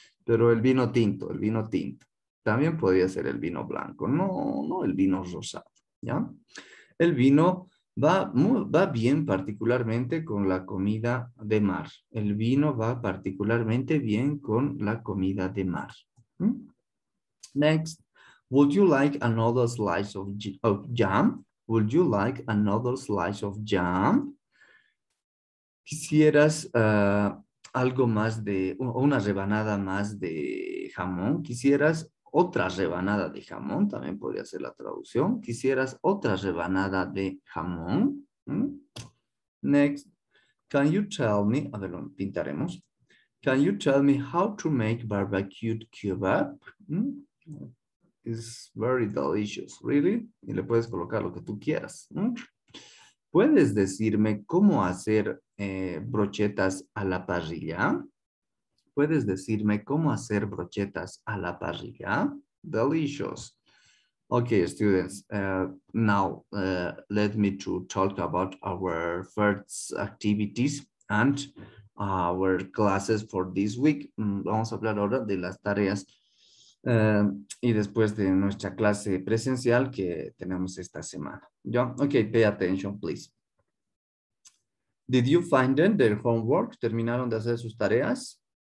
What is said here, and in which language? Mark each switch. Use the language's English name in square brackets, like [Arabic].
[Spanish] Pero el vino tinto. También podría ser el vino blanco, no el vino rosado, ¿ya? El vino va bien particularmente con la comida de mar. El vino va particularmente bien con la comida de mar. [English] Next, would you like another slice of jam? Would you like another slice of jam? [Spanish] ¿Quisieras algo más de, una rebanada más de jamón? ¿Quisieras otra rebanada de jamón? También podría ser la traducción. ¿Quisieras otra rebanada de jamón? [English] Next, can you tell me, [Spanish] a ver, lo pintaremos. [English] Can you tell me how to make barbecued kebab? It's very delicious, really. [Spanish] Y le puedes colocar lo que tú quieras. ¿Puedes decirme cómo hacer brochetas a la parrilla? ¿Puedes decirme cómo hacer brochetas a la parrilla? [English] Delicious. Okay, students. Now, let me to talk about our first activities and our classes for this week. [Spanish] Vamos a hablar ahora de las tareas y después de nuestra clase presencial que tenemos esta semana. [English] John, okay, pay attention, please. Did you find them, their homework? [Spanish] ¿Terminaron de hacer sus tareas?